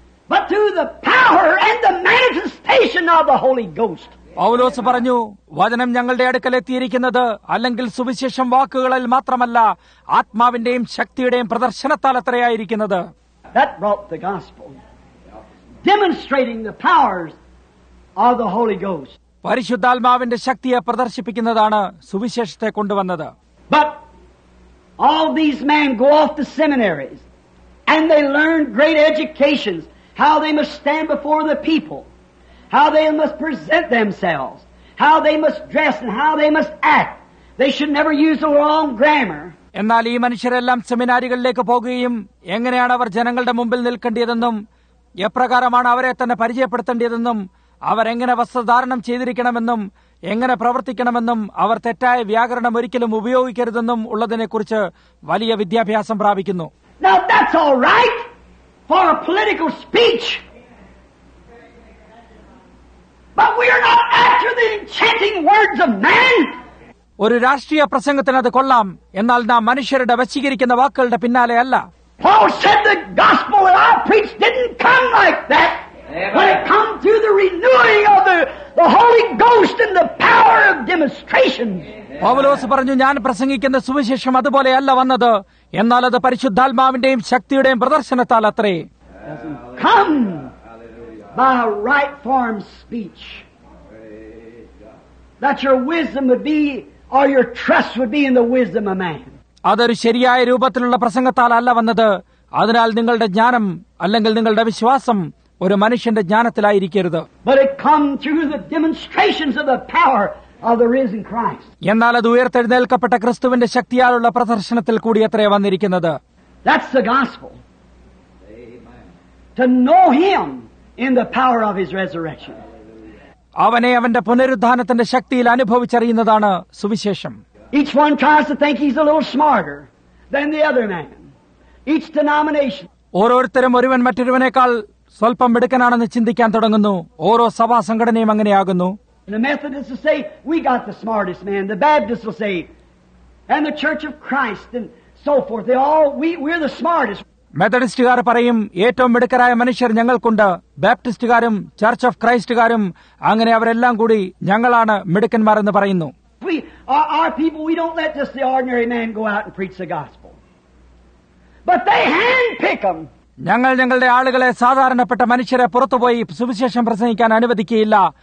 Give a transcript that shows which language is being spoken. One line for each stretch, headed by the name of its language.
English: But through the power and the manifestation of the Holy Ghost.
Malayalam: പൗലോസ് പറഞ്ഞു, വചനം ഞങ്ങളുടെ അടുക്കൽ എത്തിയിരിക്കുന്നത് അല്ലെങ്കിൽ സുവിശേഷം വാക്കുകളിൽ മാത്രമല്ല ആത്മാവിന്റെയും ശക്തിയുടെയും പ്രദർശനത്താൽ അത്രയായിരിക്കുന്നത്.
English: That brought the gospel, demonstrating the powers of the Holy Ghost.
Malayalam: പരിശുദ്ധാത്മാവിന്റെ ശക്തിയെ പ്രദർശിപ്പിക്കുന്നതാണ് സുവിശേഷത്തെ കൊണ്ടുവന്നത്.
English: But all these men go off to seminaries and they learn great educations. How they must stand before the people, how they must present themselves, how they must dress and how they must act. They should never use the wrong grammar.
Malayalam: എന്നാൽ ഈ മനുഷ്യരെല്ലാം സെമിനാരികളിലേക്ക് പോവുകയും എങ്ങനെയാണ് അവർ ജനങ്ങളുടെ മുമ്പിൽ നിൽക്കേണ്ടതെന്നും എപ്രകാരമാണ് അവരെ തന്നെ പരിചയപ്പെടുത്തേണ്ടതെന്നും അവരെങ്ങനെ വസ്ത്രധാരണം ചെയ്തിരിക്കണമെന്നും എങ്ങനെ പ്രവർത്തിക്കണമെന്നും അവർ തെറ്റായ വ്യാകരണം ഒരിക്കലും ഉപയോഗിക്കരുതെന്നും ഉള്ളതിനെക്കുറിച്ച് വലിയ വിദ്യാഭ്യാസം പ്രാപിക്കുന്നു.
English: Now that's all right. For a political speech. But we are not after the enchanting words of man.
Malayalam: ഒരു രാഷ്ട്രീയ പ്രസംഗത്തിന് അത് കൊള്ളാം, എന്നാൽ നാം മനുഷ്യരുടെ വശീകരിക്കുന്ന വാക്കുകളുടെ പിന്നാലെ അല്ല.
English: Paul said the gospel that I preached didn't come like that. But it came through the renewing of the Holy Ghost and the power of demonstrations.
Malayalam: പൗലോസ് പറഞ്ഞു, ഞാൻ പ്രസംഗിക്കുന്ന സുവിശേഷം അതുപോലെയല്ല വന്നത്, എന്നാൽ അത് പരിശുദ്ധാത്മാവിന്റെയും ശക്തിയുടെയും പ്രദർശനത്താൽ അത്രേ.
English: Come by right form speech. That your wisdom would be, or your trust would be in the wisdom of man.
Malayalam: അതൊരു ശരിയായ രൂപത്തിലുള്ള പ്രസംഗത്താൽ അല്ല വന്നത്, അതിനാൽ നിങ്ങളുടെ ജ്ഞാനം അല്ലെങ്കിൽ നിങ്ങളുടെ വിശ്വാസം ഒരു മനുഷ്യന്റെ ജ്ഞാനത്തിലായിരിക്കരുത്.
English: But it come through the demonstrations of the power of the risen Christ.
Malayalam: എന്നാൽ അത് ഉയർത്തെഴുന്നേൽക്കപ്പെട്ട ക്രിസ്തുവിന്റെ ശക്തിയാലുള്ള പ്രദർശനത്തിൽ കൂടി അത്രേ വന്നിരിക്കുന്നത്.
English: That's the gospel. To know him in the power of his resurrection.
Malayalam: അവനെ അവന്റെ പുനരുത്ഥാനത്തിന്റെ ശക്തിയിൽ അനുഭവിച്ചറിയുന്നതാണ് സുവിശേഷം.
English: Each one tries to think he's a little smarter than the other man. Each denomination.
Malayalam: ഓരോരുത്തരും ഒരുവൻ മറ്റൊരുവനേക്കാൾ സ്വല്പം മിടുക്കനാണെന്ന് ചിന്തിക്കാൻ തുടങ്ങുന്നു. ഓരോ സഭാ സംഘടനയും അങ്ങനെയാകുന്നു.
English: The Methodists will say, we got the smartest man. The Baptists will say, and the Church of Christ, and so forth. We're the smartest.
Malayalam: മെത്തഡിസ്റ്റുകാർ പറയും, ഏറ്റവും മിടുക്കരായ മനുഷ്യർ ഞങ്ങൾക്കുണ്ട്. ബാപ്റ്റിസ്റ്റുകാരും ചർച്ച് ഓഫ് ക്രൈസ്റ്റുകാരും അങ്ങനെ അവരെല്ലാം കൂടി ഞങ്ങളാണ് മിടുക്കന്മാരെന്ന് പറയുന്നു.
English: Our people, we don't let just the ordinary man go out and preach the gospel. But they handpick them.
Malayalam: ഞങ്ങൾ ഞങ്ങളുടെ ആളുകളെ, സാധാരണപ്പെട്ട മനുഷ്യരെ പുറത്തുപോയി സുവിശേഷം പ്രസംഗിക്കാൻ അനുവദിക്കുകയില്ല.